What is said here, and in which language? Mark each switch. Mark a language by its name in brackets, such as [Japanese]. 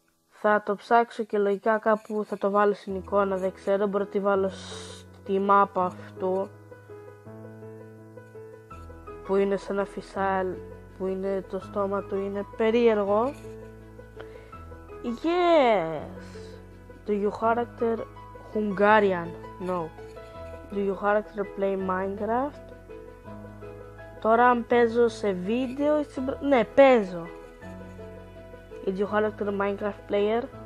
[Greek] Θα το ψάξω και λογικά κάπου θα το βάλω στην εικόνα, δεν ξέρω, μπορεί να τη βάλω στη μάπα αυτού που είναι σαν ένα φυσάλ, που είναι το στόμα του, είναι περίεργο. [English] Yes! Do your character Hungarian? No. Do your character play Minecraft? [Greek] Τώρα αν παίζω σε βίντεο ή ναι, παίζω. [English] Is your character Minecraft player?